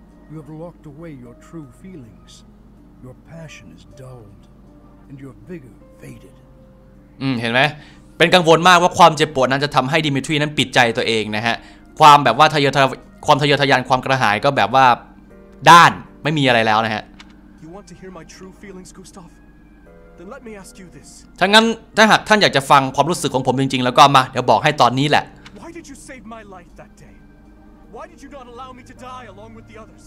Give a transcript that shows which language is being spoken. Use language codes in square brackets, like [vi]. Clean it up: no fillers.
[en] You have locked away your true feelings. Your passion is dulled, and your vigor faded. [th] เห็นไหมเป็นกังวลมากว่าความเจ็บปวดนั้นจะทำให้ดิมิทรีนั้นปิดใจตัวเองนะฮะความแบบว่าความทะเยอทะยานความกระหายก็แบบว่าด้านไม่มีอะไรแล้วนะฮะ [en] You want to hear my true feelings, Gustav? Then let me ask you this. [th] ถ้างั้นถ้าหากท่านอยากจะฟังความรู้สึกของผมจริงๆแล้วก็มาเดี๋ยวบอกให้ตอนนี้แหละ [en] Why did you save my life that day? Why did you not allow me to die along with the others?